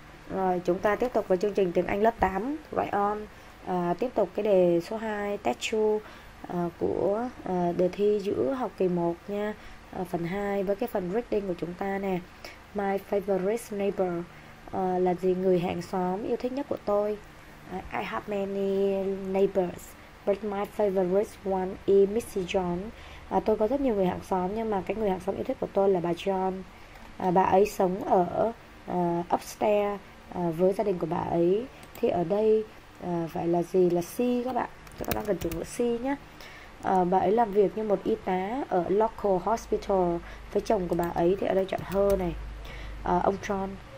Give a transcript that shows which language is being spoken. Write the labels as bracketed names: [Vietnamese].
[Vietnamese] Rồi chúng ta tiếp tục với chương trình tiếng Anh lớp 8, right on. Tiếp tục cái đề số 2, test 2 của đề thi giữa học kỳ 1 nha. Phần 2 với cái phần reading của chúng ta nè. [English] My favorite neighbor [Vietnamese] là gì? Người hàng xóm yêu thích nhất của tôi. [English] I have many neighbors, but my favorite one is Mrs. John. [Vietnamese] Tôi có rất nhiều người hàng xóm, nhưng mà cái người hàng xóm yêu thích của tôi là bà John. Bà ấy sống ở upstairs với gia đình của bà ấy. Thì ở đây phải là gì? Là she các bạn. Chúng ta đang cần chủ ngữ she nhé. Bà ấy làm việc như một y tá ở local hospital với chồng của bà ấy. Thì ở đây chọn her này. Ông John.